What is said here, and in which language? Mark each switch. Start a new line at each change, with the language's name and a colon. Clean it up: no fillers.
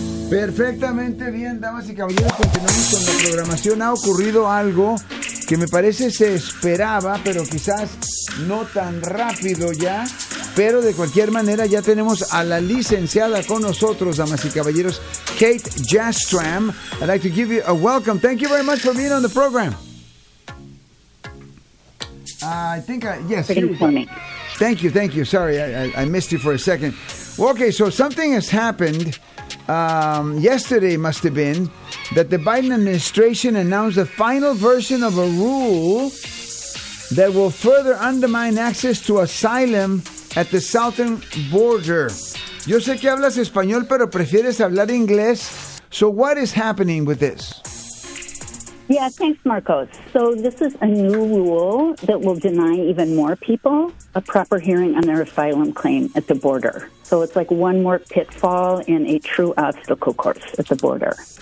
Spanish: Perfectamente bien, damas y caballeros, continuamos con la programación. Ha ocurrido algo que me parece se esperaba, pero quizás no tan rápido ya. Pero de cualquier manera ya tenemos a la licenciada con nosotros, damas y caballeros, Kate Jastram.
English: I'd like to give you a welcome. Thank you very much for being on the program. I think, yes. Thank you. Sorry, I missed you for a second. Okay, so something has happened yesterday, must have been, that the Biden administration announced the final version of a rule that will further undermine access to asylum at the southern border.
Spanish: Yo sé que hablas español, pero prefieres hablar inglés.
English: So what is happening with this? Yeah, thanks, Marcos. So this is a new rule that will deny even more people a proper hearing on their asylum claim at the border. So it's like one more pitfall in a true obstacle course at the border.